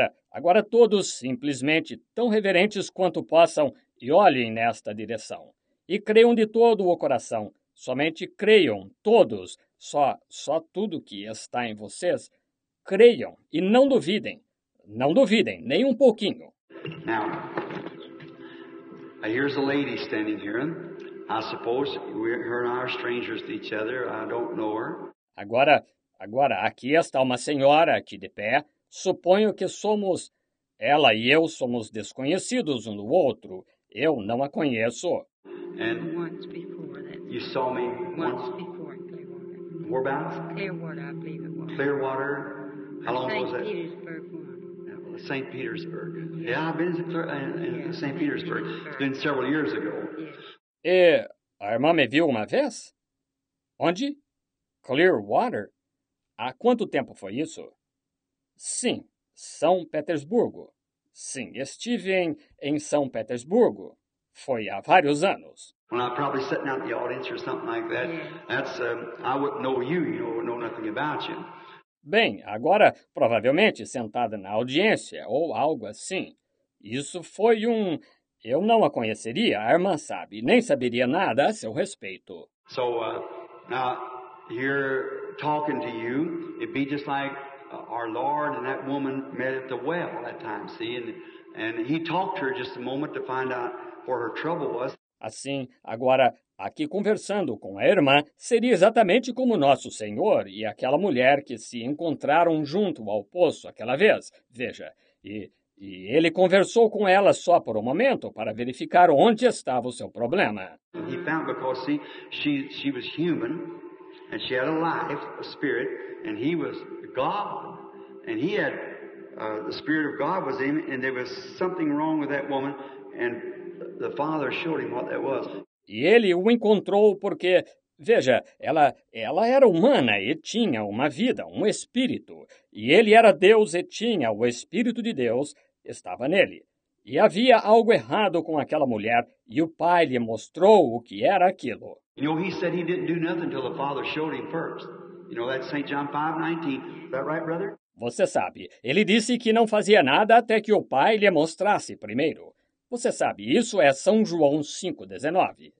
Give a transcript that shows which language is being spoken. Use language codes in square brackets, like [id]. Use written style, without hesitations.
[pt] Agora todos simplesmente tão reverentes quanto possam, e olhem nesta direção. E creiam de todo o coração. Somente creiam, todos, só tudo que está em vocês. Creiam e não duvidem. Não duvidem, nem um pouquinho. [en] Now, here's a lady standing here. I suppose her and I are strangers to each other. I don't know her. [pt] Agora, aqui está uma senhora aqui de pé. Suponho que somos... Ela e eu somos desconhecidos um do outro. Eu não a conheço. [en] And once before that. You saw me once before Clearwater. Whereabouts? Clearwater, I believe it was. Clearwater. that? St. Petersburg. Yeah, well, St. Petersburg. Yeah, I've been in St. Petersburg. It's been several years ago. [pt] Et a irmã me viu uma vez? Onde? Clearwater. Há quanto tempo foi isso? Sim, São Petersburgo. Sim, estive em São Petersburgo. Foi há vários anos. [en] Well, I'm probably sitting out in the audience or something like that. That's, I wouldn't know you, you know, know nothing about you. [pt] Bem, agora, provavelmente, sentada na audiência, ou algo assim. Isso foi eu não a conheceria, a irmã sabe, nem saberia nada a seu respeito. [en] So, now, here talking to you, it'd be just like our Lord and that woman met at the well that time, see? And he talked to her just a moment to find out where her trouble was. [pt] Assim, agora, aqui conversando com a irmã, seria exatamente como nosso Senhor e aquela mulher que se encontraram junto ao poço aquela vez. Veja, e ele conversou com ela só por um momento para verificar onde estava o seu problema. [en] He found because, see, she was human, and she had a life, a spirit, and he was God, and he had, the spirit of God was in, and there was something wrong with that woman, and the father showed him what that was. [pt] E ele o encontrou porque, veja, ela era humana e tinha uma vida, um espírito. E ele era Deus e tinha o Espírito de Deus, estava nele. E havia algo errado com aquela mulher e o pai lhe mostrou o que era aquilo. [en] You know, he said he didn't do nothing until the father showed him first. You know, that's St. John 5:19. Is that right, brother? [pt] Você sabe, ele disse que não fazia nada até que o pai lhe mostrasse primeiro. Você sabe, isso é São João 5:19.